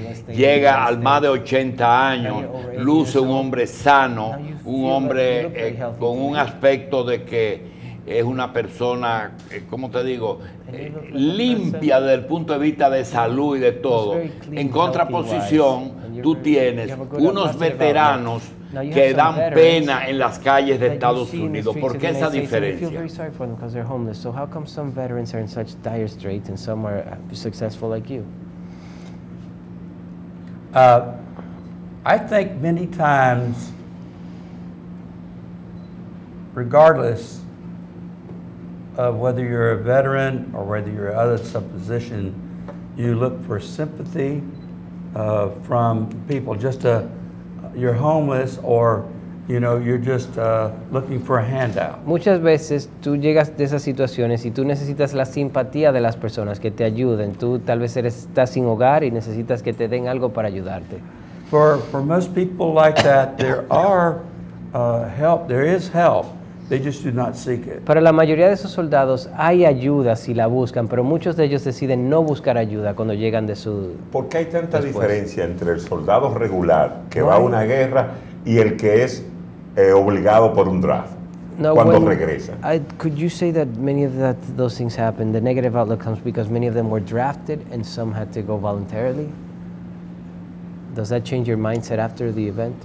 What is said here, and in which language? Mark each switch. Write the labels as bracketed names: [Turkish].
[Spanish] llega al más de 80 años, luce un hombre sano, un hombre con un aspecto de que es una persona, ¿cómo te digo?, limpia desde el punto de vista de salud y de todo. En contraposición, tú tienes unos veteranos que dan pena en las calles de Estados Unidos. ¿Por qué esa diferencia? [English] You feel very sorry for them because they're homeless. So how come some veterans are in such dire straits and some are successful like you? I think many times, regardless of whether you're a veteran or whether you're other supposition, you look for sympathy from people. Just a you're homeless, or you know, you're just looking for a handout. [Spanish] Muchas veces tú llegas de esas situaciones y tú necesitas la simpatía de las personas que te ayuden. Tú tal vez estás sin hogar y necesitas que te den algo para ayudarte. [English] For most people like that, there are help. There is help. They just do not seek it. [Spanish] Para la mayoría de esos soldados hay ayuda si la buscan, pero muchos de ellos deciden no buscar ayuda cuando llegan de su... ¿Por qué hay tanta diferencia entre el soldado regular que va a una guerra y el que es obligado por un draft cuando regresa? [English] Could you say that many of that, those things happen, the negative outlook comes because many of them were drafted and some had to go voluntarily? Does that change your mindset after the event?